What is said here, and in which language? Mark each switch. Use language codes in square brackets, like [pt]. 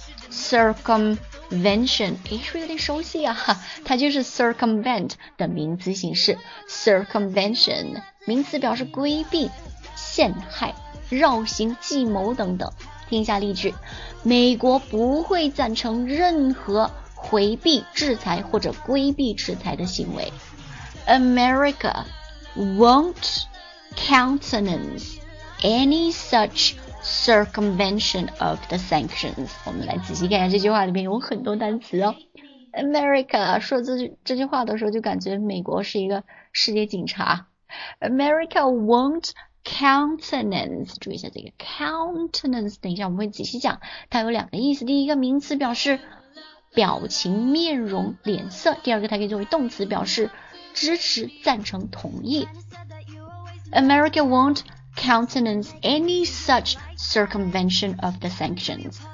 [zh] Circumvention, 诶是有点熟悉啊，它就是 circumvent 的名词形式。 Circumvention, 名词表示规避、陷害、绕行、计谋等等。听一下例句。美国不会赞成任何回避制裁或者规避制裁的行为。 [en] America won't countenance any such circumvention of the sanctions. [zh] 我们来仔细看一下这句话里面有很多单词哦。 America 说这句话的时候就感觉美国是一个世界警察。 [en] America won't countenance. [zh] 注意一下这个 countenance. 等一下我们会仔细讲，它有两个意思。第一个名词表示表情、面容、脸色。第二个它可以作为动词表示支持、赞成、同意。 [en] America won't countenance any such circumvention of the sanctions.